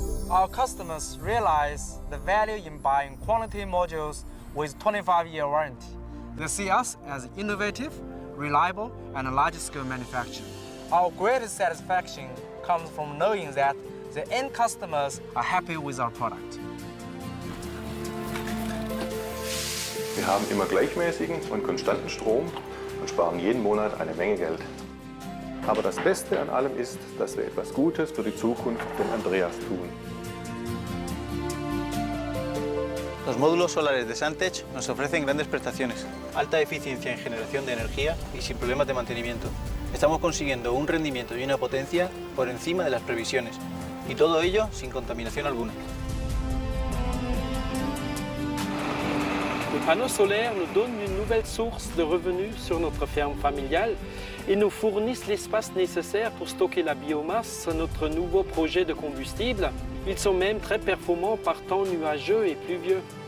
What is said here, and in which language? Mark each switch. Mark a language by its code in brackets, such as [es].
[en] Our customers realize the value in buying quality modules with 25-year warranty. They see us as innovative, reliable, and a large-scale manufacturer. Our greatest satisfaction comes from knowing that the end customers are happy with our product. [de] Wir haben immer gleichmäßigen und konstanten Strom und sparen jeden Monat eine Menge Geld. Aber das Beste an allem ist, dass wir etwas Gutes für die Zukunft von Andreas tun. [es] Los módulos solares de Suntech nos ofrecen grandes prestaciones, alta eficiencia en generación de energía y sin problemas de mantenimiento. Estamos consiguiendo un rendimiento y una potencia por encima de las previsiones, y todo ello sin contaminación alguna. [fr] Les panneaux solaires nous donnent une nouvelle source de revenus sur notre ferme familiale et nous fournissent l'espace nécessaire pour stocker la biomasse sur notre nouveau projet de combustible. Ils sont même très performants par temps nuageux et pluvieux.